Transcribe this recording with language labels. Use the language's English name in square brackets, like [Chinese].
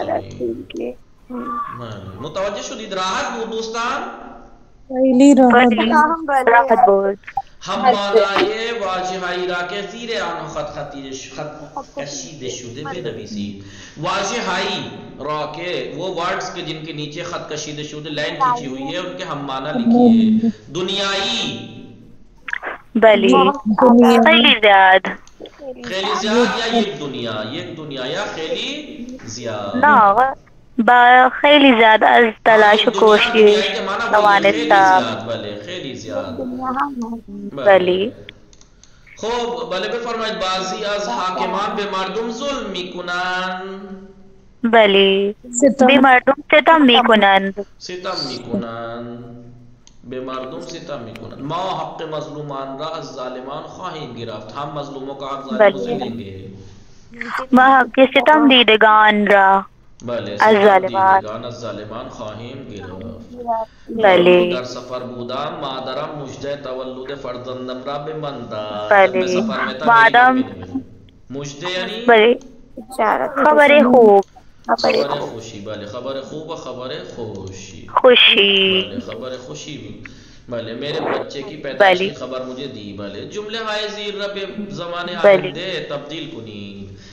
[Persian] بله متوجه شدید؟ راحت بود دوستان. خیلی راحت بود. هم بالای واجه های را که زیر آن خط کشیده شده به نویسی. واجه های را که [Urdu] وہ ورڈز کے جن کے نیچے [Persian] خط کشیده شده [Urdu] لائن کھینچی ہوئی ہے ان کے ہم معنی لکھی ہے. [Persian] دنیایی بلي خیلی زیاد خیلی زیاد یا یک دنیا؟ یک دنیا یا خیلی زیاد؟ نه آقا با خیلی زیاد از تلاش و کوشش توانستم. خیلی زیاد بله خیلی زیاد بلی. خب بله بفرمایید. بعضی از حاکمان به مردم ظلم میکنن. بلی به مردم ستم میکنن. ستم میکنن به مردم ستم میکنن. ما حق مظلومان را از ظالمان خواهیم گرفت. [Urdu] هم مظلوموں کا حق ظالموں سے [Persian] ما حق ستم دیدگان را بله از ظالمان خواهیم گرفت. بله در سفر بودم مادرم مجده تولد فرزندم را به من داد. بله مادرم مجده یعنی بله خبر خوب خبر خوشی. بله خبر خوب و خبر خوشی خوشی. بله خبر خوشی بله [Urdu] میرے بچے کی پیدائش کی خبر مجھے دی. [Persian] بله جملے های زیر را به زمان آینده تبدیل کنیم.